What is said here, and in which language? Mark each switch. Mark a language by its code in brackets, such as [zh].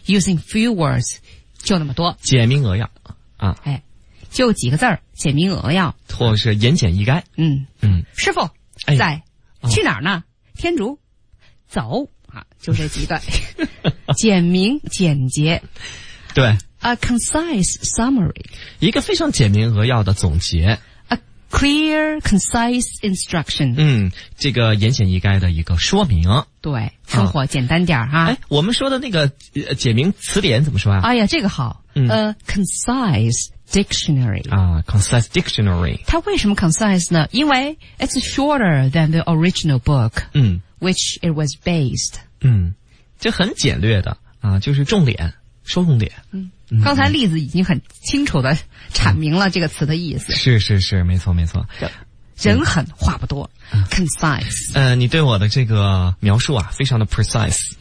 [en] ，using few words， [zh] 就那么多，简明扼要啊！哎，就几个字儿，简明扼要，或是言简意赅。嗯嗯，师傅、哎、在去哪儿呢？哦、天竺，走啊！就这几段，简明简洁。对 [en] ，a concise summary， [zh] 一个非常简明扼要的总结。 [en] a clear concise instruction， [zh] 嗯，这个言简意赅的一个说明。对。生活简单点儿、啊、哈。哎，我们说的那个简明词典怎么说啊？哎呀，这个好。嗯 [en] ，a concise dictionary 啊 ，concise dictionary。 [zh] 它为什么 concise 呢？ [en] 因为 it's shorter than the original book， [zh] 嗯 [en] ，which it was based。 [zh] 嗯，这很简略的啊，就是重点，说重点。嗯，刚才例子已经很清楚的阐明了这个词的意思。嗯、是是是，没错没错。人狠话不多、嗯、concise。你对我的这个描述啊非常的 precise。